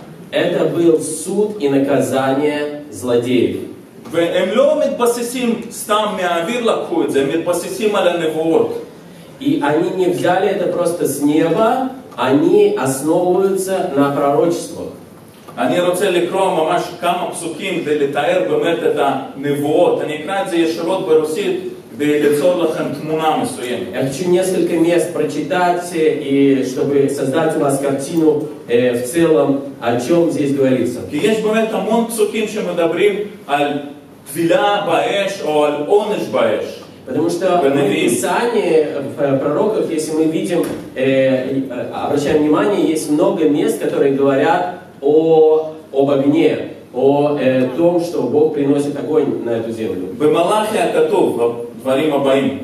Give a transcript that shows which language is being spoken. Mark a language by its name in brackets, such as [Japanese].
[Russian] Это был суд и наказание злодеев. [Hebrew] והם לא מתבססים סתם מהאוויר לקחו את זה, הם מתבססים על הנבואות. [Russian] И они не взяли это просто с неба, они основываются на пророчествах. [Hebrew] אני רוצה לקרוא ממש כמה פסוקים כדי לתאר באמת את הנבואות. אני אקרא את זה ישירות ברוסית כדי ליצור לכם תמונה מסוימת. [Russian] Я хочу несколько мест прочитать, и чтобы создать у вас картину в целом, о чем здесь говорится. [Hebrew] כי יש באמת המון פסוקים שמדברים על תבילה באש או על עונש באש. [Russian] Потому что в Писании, в пророках, если мы видим, обращаем внимание, есть много мест, которые говорят о, об огне, о том, что Бог приносит огонь на эту землю. В Малахии готов, говорим об Аим.